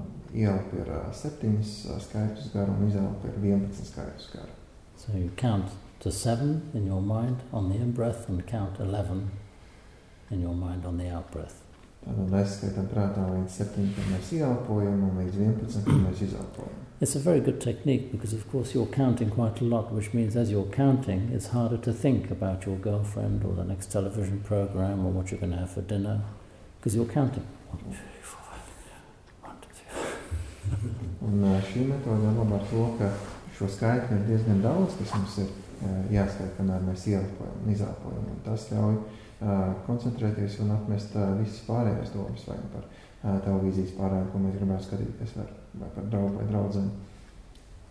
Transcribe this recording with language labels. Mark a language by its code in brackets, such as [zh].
[lv] Ielpa ir septiņas skaitļus garu un izelpa ir 11 skaitļus garu. [en] So you count to 7 in your mind on the in-breath and count 11 in your mind on the out-breath. [lv] Tātad mēs skaitam prātā līdz 7, kad mēs ieelpojam, un līdz 11, kad mēs izelpojam. [en] It's a very good technique because, of course, you're counting quite a lot, which means as you're counting, it's harder to think about your girlfriend or the next television program or what you're going to have for dinner, because you're counting. [lv] Un šī metoda labā ar to, ka šo skaitu ir diezgan daudz, kas mums ir jāskait, kamēr mēs ieelpojam un izelpojam, un tas ļauj koncentrēties un atmest visas pārējās domas vai par televīzijas pārējām, ko mēs gribētu skatīties ar, vai par draugu vai draudzeni.